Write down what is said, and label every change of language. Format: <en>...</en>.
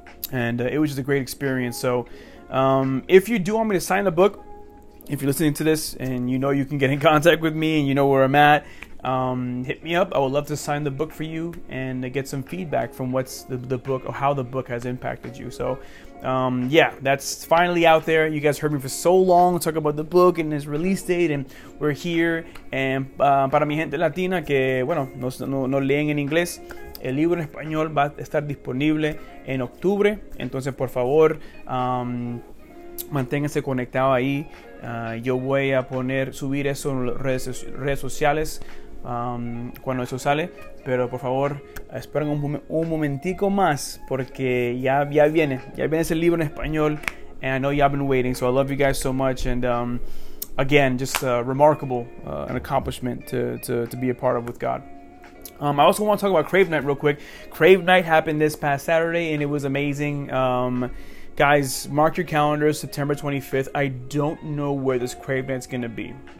<en>And it was just a great experience. So if you do want me to sign the book, if you're listening to this and you know you can get in contact with me and you know where I'm at, hit me up. I would love to sign the book for you and get some feedback from what's the book or how the book has impacted you. So yeah, that's finally out there. You guys heard me for so long talk about the book and its release date, and we're here.</en> <es>And para mi gente latina que, bueno, no leen en inglés, el libro en español va a estar disponible en octubre. Entonces, por favor, manténganse conectado ahí. Yo voy a subir eso en redes sociales cuando eso sale, pero por favor esperen un momentico más, porque ya viene ese libro en español,</es> <en>and I know y'all been waiting. So I love you guys so much, and again, just remarkable, an accomplishment to be a part of with God. I also want to talk about Crave Night real quick. Crave Night happened this past Saturday, and it was amazing. Guys, mark your calendars, September 25th. I don't know where this Crave Night's gonna be.</en>